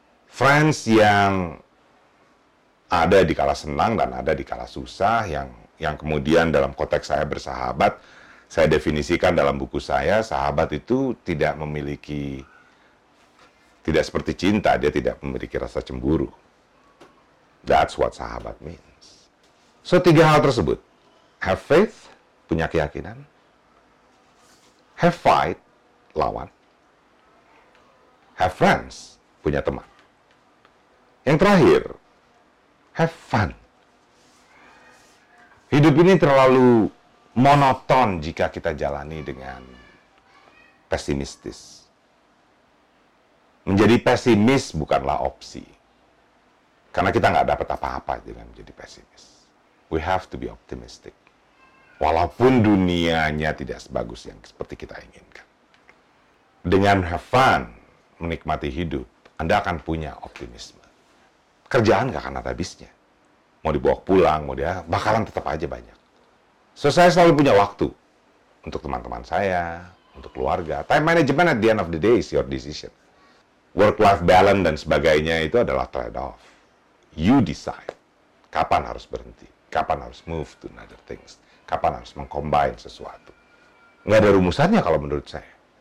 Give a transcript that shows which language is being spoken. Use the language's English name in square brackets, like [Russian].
[Indonesian] Friends yang ada di kala senang dan ada di kala susah, yang kemudian dalam konteks saya bersahabat, saya definisikan dalam buku saya, sahabat itu tidak memiliki, tidak seperti cinta, dia tidak memiliki rasa cemburu. [English] That's what sahabat means. [Indonesian] So, 3 hal tersebut. [English] Have faith, [Indonesian] punya keyakinan. [English] Have fight, [Indonesian] lawan. [English] Have friends, [Indonesian] punya teman. Yang terakhir, [English] have fun. [Indonesian] Hidup ini terlalu monoton jika kita jalani dengan pesimistis. Menjadi pesimis bukanlah opsi. Karena kita nggak dapat apa-apa dengan menjadi pesimis. [English] We have to be optimistic. [Indonesian] Walaupun dunianya tidak sebagus yang seperti kita inginkan. Dengan [English] have fun, [Indonesian] menikmati hidup, Anda akan punya optimisme. Kerjaan nggak akan ada habisnya. Mau dibawa pulang, mau dia, bakalan tetap aja banyak. So, saya selalu punya waktu untuk teman-teman saya, untuk keluarga. [English] Time management at the end of the day is your decision. [Indonesian] Work-life balance dan sebagainya itu adalah trade-off. [English] You decide [Indonesian] kapan harus berhenti, kapan harus [English] move to another things, [Indonesian] kapan harus mengcombine sesuatu. Nggak ada rumusannya kalau menurut saya.